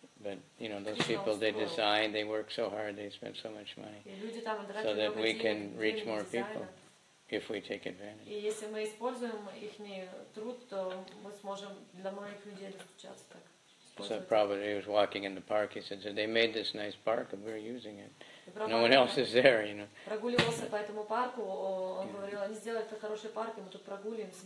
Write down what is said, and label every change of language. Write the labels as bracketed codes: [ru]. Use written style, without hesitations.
[en] But you know, those people, they design, they work so hard, they spend so much money, so that we can reach more people. If we take advantage. [ru] И если мы используем их труд, то мы сможем для многих людей достучаться так. [en] So probably he was walking in the park. He said, "So they made this nice park, and we're using it. No one else is there, you know." [ru] Прогуливался по этому парку. Он говорил, они сделали такой хороший парк, и мы тут прогуливаемся.